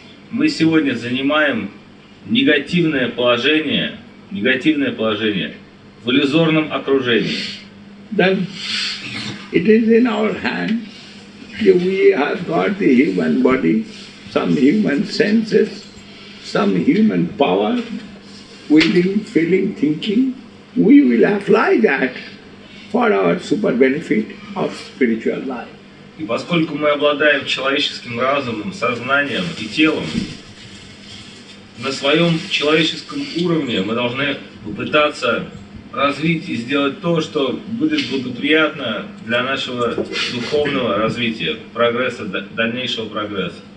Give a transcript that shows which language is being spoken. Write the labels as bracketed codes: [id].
[ru] Мы сегодня занимаем негативное положение в иллюзорном окружении. [en] Then it is in our hand, we have got the human body, some human senses, some human power, willing, feeling, thinking, we will apply that for our super benefit of spiritual life. [ru] И поскольку мы обладаем человеческим разумом, сознанием и телом, на своем человеческом уровне мы должны попытаться развить и сделать то, что будет благоприятно для нашего духовного развития, прогресса, дальнейшего прогресса.